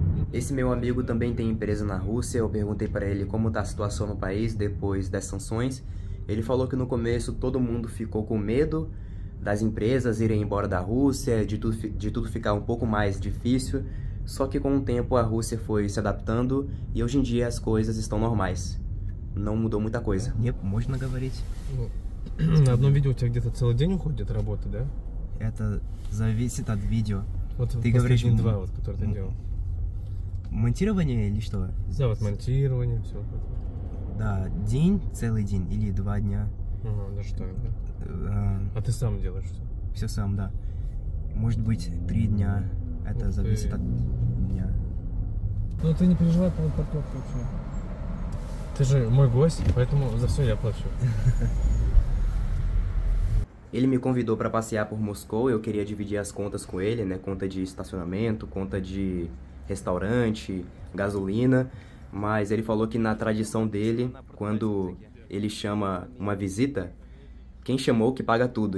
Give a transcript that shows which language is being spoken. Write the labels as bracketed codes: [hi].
[pt] Esse meu amigo também tem empresa na Rússia, eu perguntei para ele como está a situação no país depois das sanções. Ele falou que no começo todo mundo ficou com medo das empresas irem embora da Rússia, de tudo ficar um pouco mais difícil. Só que com o tempo a Rússia foi se adaptando e hoje em dia as coisas estão normais. Não mudou muita coisa. [ru] Не можно говорить. На одном видео у тебя где-то целый день уходит работа, да? Это зависит от видео. Вот ты говоришь два, вот которые ты делал. Монтирование или что? Да, вот монтирование, все. Да, день, целый день или два дня. Ага, да что это? А ты сам делаешь все? Все сам, да. Может быть, три дня. Это ух зависит ты. От дня. Ну ты не переживай по парковке вообще. Ты же мой гость, поэтому за все я плачу. [pt] Ele me convidou para passear por Moscou, eu queria dividir as contas com ele, né? Conta de estacionamento, conta de restaurante, gasolina. Mas ele falou que na tradição dele, quando ele chama uma visita, quem chamou que paga tudo.